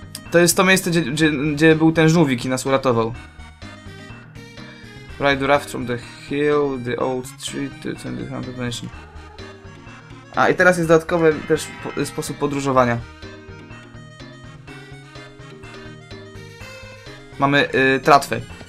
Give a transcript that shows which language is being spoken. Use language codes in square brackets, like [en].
[pl] To jest to miejsce, gdzie był ten żółwik i nas uratował. [en] Ride raft from the hill, the old tree to the haunted mansion. [pl] A, i teraz jest dodatkowy też sposób podróżowania. Mamy tratwę.